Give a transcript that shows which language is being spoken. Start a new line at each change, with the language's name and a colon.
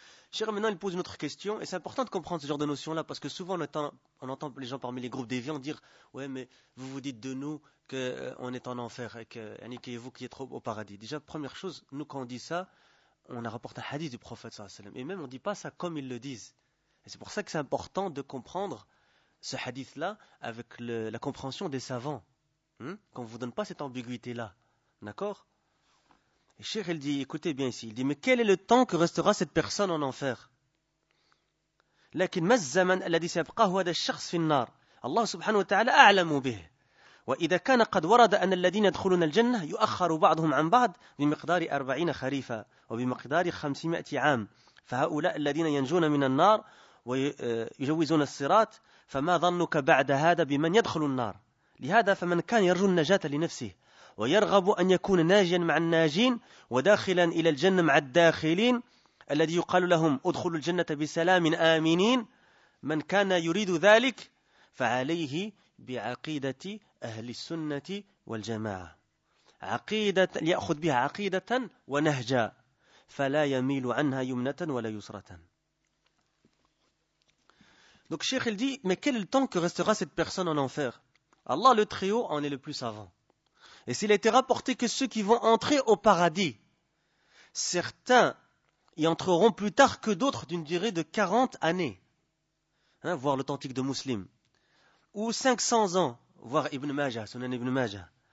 French: Cher, maintenant, il pose une autre question, et c'est important de comprendre ce genre de notion-là, parce que souvent, on entend les gens parmi les groupes déviants dire « Ouais, mais vous vous dites de nous qu'on est en enfer, et que vous qui êtes au paradis. » Déjà, première chose, nous, quand on dit ça, on a rapporté un hadith du prophète, sallallahu alayhi wa sallam, et même, on ne dit pas ça comme ils le disent. Et c'est pour ça que c'est important de comprendre ce hadith-là avec la compréhension des savants, qu'on ne vous donne pas cette ambiguïté-là, d'accord ? Et Cheikh, il dit, écoutez bien ici, il dit, mais quel est le temps que restera cette personne en enfer ?
Arabic: لكن ما الزمن الذي سيبقى هو هذا الشخص في النار الله سبحانه وتعالى أعلم به وإذا كان قد ورد أن الذين يدخلون الجنة يؤخر بعضهم عن بعض بمقدار 40 خريفة وبمقدار 500 عام فهؤلاء الذين ينجون من النار ويجوزون الصراط فما ظنك بعد هذا بمن يدخل النار لهذا فمن كان يرجو النجاة لنفسه ويرغب أن يكون ناجيا مع الناجين وداخلا إلى الجنة مع الداخلين الذي يقال لهم ادخلوا الجنة بسلام آمنين من كان يريد ذلك فعليه بعقيدة أهل السنة والجماعة عقيدة ليأخذ بها عقيدة ونهجا فلا يميل عنها يمنة ولا يسرة.
French: Donc Cheikh il dit, mais quel est le temps que restera cette personne en enfer? Allah le Très-Haut en est le plus savant. Et s'il a été rapporté que ceux qui vont entrer au paradis, certains y entreront plus tard que d'autres d'une durée de 40 années, hein, voire l'authentique de Muslim, ou 500 ans, voire Ibn Majah, Sunan Ibn Majah.